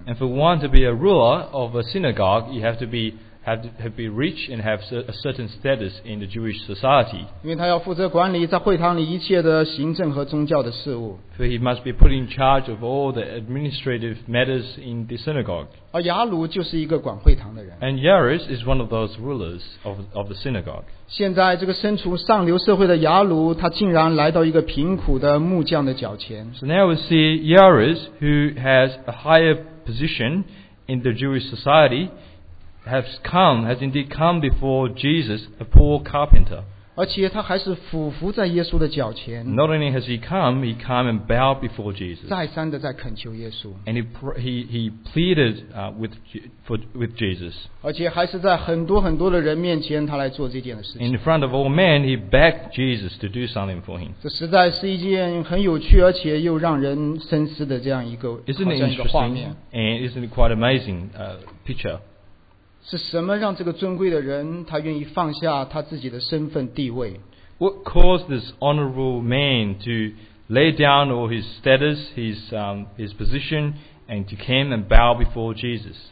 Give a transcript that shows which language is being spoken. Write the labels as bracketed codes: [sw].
[en] And for one to be a ruler of a synagogue, you have to be rich and have a certain status in the Jewish society. [zh] 因为他要负责管理在会堂里一切的行政和宗教的事务。 [en] For he must be put in charge of all the administrative matters in the synagogue. [zh] 而雅鲁就是一个管会堂的人。 [en] And Yairus is one of those rulers of the synagogue. [zh] 现在这个身处上流社会的雅鲁, 他竟然来到一个贫苦的木匠的脚前。 [en] So now we see Yairus, who has a higher position in the Jewish society, has indeed come before Jesus, a poor carpenter. Not only has he came and bowed before Jesus. And he pleaded with Jesus. In front of all men, he begged Jesus to do something for him. Isn't it interesting? And isn't it quite amazing picture? [zh] 是什么让这个尊贵的人他愿意放下他自己的身份地位? [en] What caused this honorable man to lay down all his status, his position, and to come and bow before Jesus?